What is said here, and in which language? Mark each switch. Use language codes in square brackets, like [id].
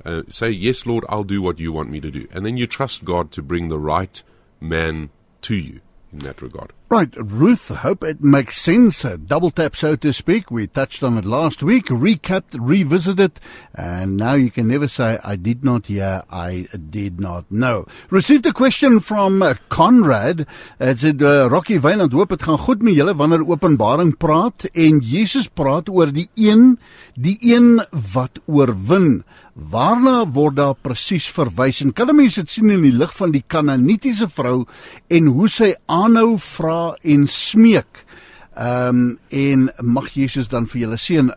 [en] Say, yes, Lord, I'll do what you want me to do. And then you trust God to bring the right man to you in that regard. Right, Ruth, hope it makes sense. A double tap, so to speak. We touched on it last week, recapped, revisited, and now you can never say, I did not hear, I did not know. Received a question from Conrad. It said, [af] Rocky Weiland, hoop, het gaan goed met julle wanneer openbaring praat, en Jesus praat oor die een wat oorwin. Waarna word daar precies verwys? En kan mense het sien in die lig van die Kanaanitiese vrou, en hoe sy aanhou vra en smeek, en mag Jesus dan vir julle seën.